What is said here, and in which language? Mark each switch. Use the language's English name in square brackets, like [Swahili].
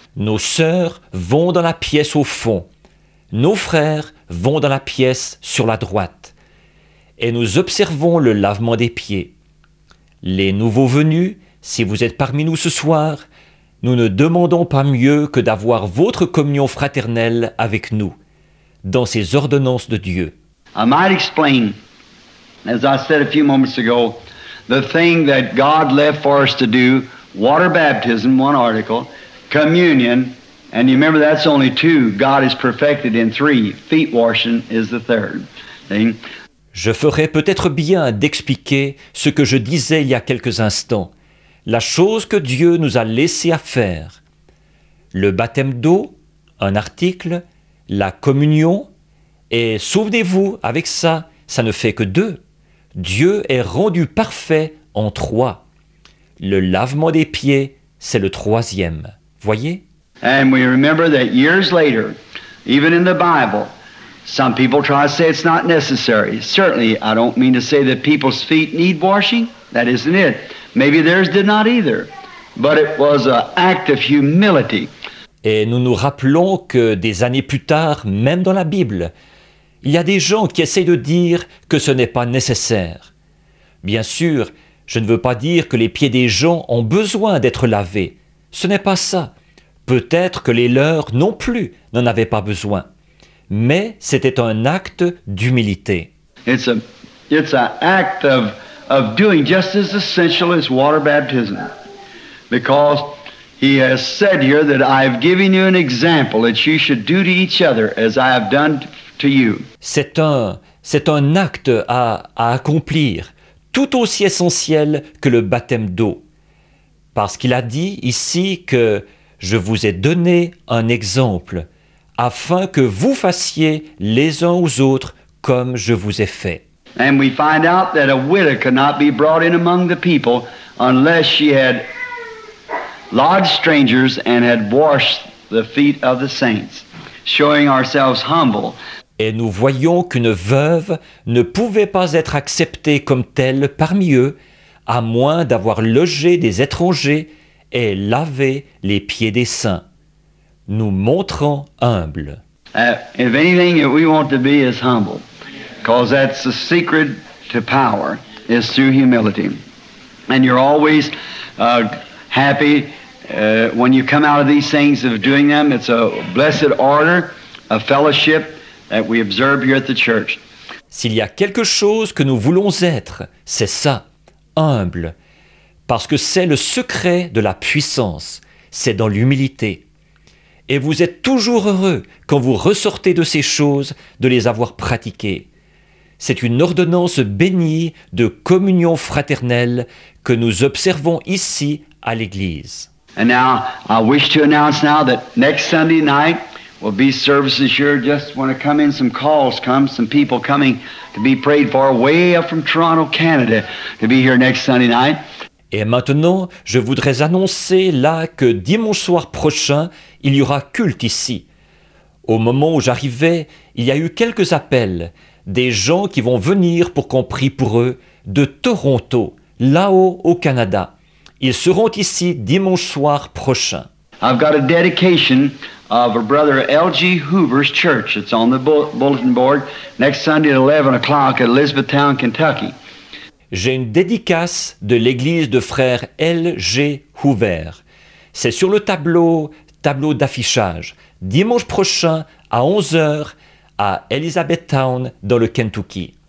[French] Nos sœurs vont dans la pièce au fond. Nos frères vont dans la pièce sur la droite. Et nous observons le lavement des pieds. Les nouveaux venus, si vous êtes parmi nous ce soir, nous ne demandons pas mieux que d'avoir votre communion fraternelle avec nous, dans ces ordonnances de Dieu. [English] I might explain, as I said a few moments ago, the thing that God left for us to do, water baptism, one article, communion, and you remember that's only two, God is perfected in three, feet washing is the third thing. [French] Je ferai peut-être bien d'expliquer ce que je disais il y a quelques instants, la chose que Dieu nous a laissé à faire. Le baptême d'eau, un article, la communion, et souvenez-vous, avec ça, ça ne fait que deux. Dieu est rendu parfait en trois. Le lavement des pieds, c'est le troisième. Voyez? [English] And we remember that years later, even in the Bible, some people try to say it's not necessary. Certainly, I don't mean to say that people's feet need washing. That isn't it. Maybe theirs did not either. But it was an act of humility. [French] Et nous nous rappelons que des années plus tard, même dans la Bible, il y a des gens qui essayent de dire que ce n'est pas nécessaire. Bien sûr, je ne veux pas dire que les pieds des gens ont besoin d'être lavés. Ce n'est pas ça. Peut-être que les leurs non plus n'en avaient pas besoin. Mais c'était un acte d'humilité. [English] It's an act of doing just as essential as water baptism. Because he has said here that I have given you an example that you should do to each other as I have done to you. [French] C'est un acte à accomplir, tout aussi essentiel que le baptême d'eau. Parce qu'il a dit ici que je vous ai donné un exemple, afin que vous fassiez les uns aux autres comme je vous ai fait. [English] And we find out that a widow could not be brought in among the people unless she had lodged strangers and had washed the feet of the saints, showing ourselves humble. [French] Et nous voyons qu'une veuve ne pouvait pas être acceptée comme telle parmi eux, à moins d'avoir logé des étrangers et lavé les pieds des saints. Nous montrons humble. [English] If anything, we want to be as humble, because that's the secret to power is through humility. And you're always happy when you come out of these things of doing them. It's a blessed order, a fellowship that we observe here at the church. [French] S'il y a quelque chose que nous voulons être, c'est ça, humble, parce que c'est le secret de la puissance. C'est dans l'humilité. Et vous êtes toujours heureux quand vous ressortez de ces choses, de les avoir pratiquées. C'est une ordonnance bénie de communion fraternelle que nous observons ici à l'Église. [English] And now, I wish to announce now that next Sunday night will be services here. Just want to come in, some calls come, some people coming to be prayed for way up from Toronto, Canada, to be here next Sunday night. [French] Et maintenant, je voudrais annoncer là que dimanche soir prochain, il y aura culte ici. Au moment où j'arrivais, il y a eu quelques appels, des gens qui vont venir pour qu'on prie pour eux, de Toronto, là-haut au Canada. Ils seront ici dimanche soir prochain. [English] I've got a dedication of a brother L.G. Hoover's church. It's on the bulletin board next Sunday at 11 o'clock at Elizabethtown, Kentucky. [French] J'ai une dédicace de l'église de frère L.G. Hoover. C'est sur le tableau d'affichage, dimanche prochain à 11h à Elizabethtown dans le Kentucky.